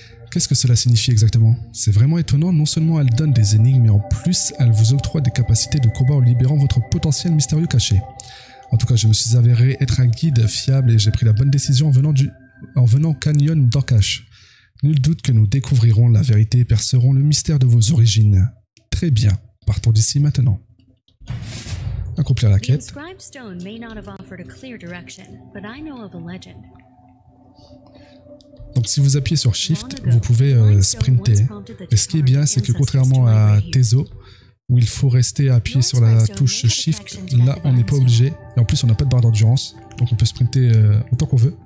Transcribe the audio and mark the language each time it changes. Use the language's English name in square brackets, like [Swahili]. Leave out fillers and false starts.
[French] Qu'est-ce que cela signifie exactement? C'est vraiment étonnant, non seulement elle donne des énigmes, mais en plus, elle vous octroie des capacités de combat en libérant votre potentiel mystérieux caché. En tout cas, je me suis avéré être un guide fiable et j'ai pris la bonne décision en venant au canyon d'Ankash. Nul doute que nous découvrirons la vérité et percerons le mystère de vos origines. Très bien, partons d'ici maintenant. Accomplir la quête. [English] L'inscribed stone may not have offered a clear direction, but I know of a legend. [French] Donc si vous appuyez sur Shift, vous pouvez sprinter. Et ce qui est bien, c'est que contrairement à Tezo, où il faut rester appuyé sur la touche Shift, là on n'est pas obligé. Et en plus on n'a pas de barre d'endurance, donc on peut sprinter autant qu'on veut.